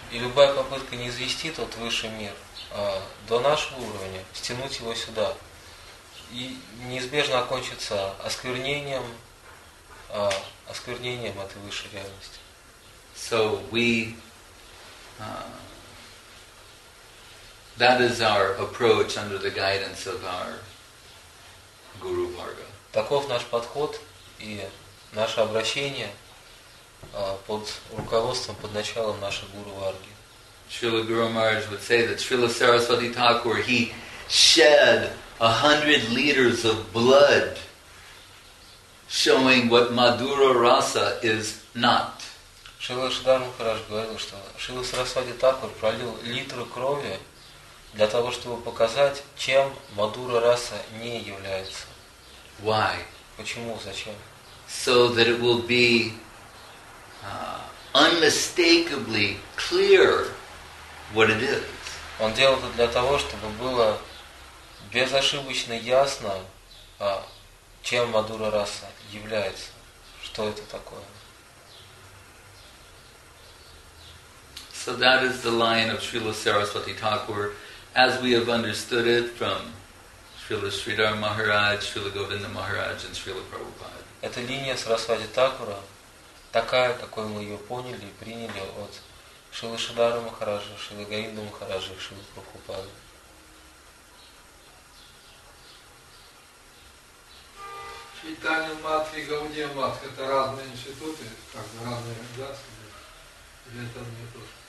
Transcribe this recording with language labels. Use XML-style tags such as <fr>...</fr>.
<ru>И любая попытка не извести тот высший мир до нашего уровня, стянуть его сюда, и неизбежно окончится осквернением, осквернением этой высшей реальности.</ru> <en>So we that is our approach under the guidance of our Guru Bhargava.</en> <ru>Таков наш подход и наше обращение под руководством, под началом нашего Гуру Варги.</ru> <en>Srila Guru Maharaj would say that Srila Saraswati Thakur, he shed 100 liters of blood, showing what Madhura Rasa is not.</en> <ru>Srila Shridhar Maharaj говорил, что Srila Saraswati Thakur пролил литр крови для того, чтобы показать, чем Madhura Rasa не является.</ru> <en>Why?</en> <ru>Почему? Зачем?</ru> <en>So that it will be unmistakably clear what it is.</en> <ru>Он делал это для того, чтобы было безошибочно ясно, чем Madhura Rasa является, что это такое.</ru> <en>So that is the line of Srila Saraswati Thakur, as we have understood it from Srila Sridhar Maharaj, Srila Govinda Maharaj, and Srila Prabhupada.</en> <ru>Эта линия Сарасвати Такура такая, какой мы ее поняли и приняли от Шрилы Шридхара Махараджа, Шрилы Говинды Махараджа и Шрилы Прабхупады. Чайтанья Матха и Гаудия Матха — это разные институты, как бы разные организации, или это не то?</ru>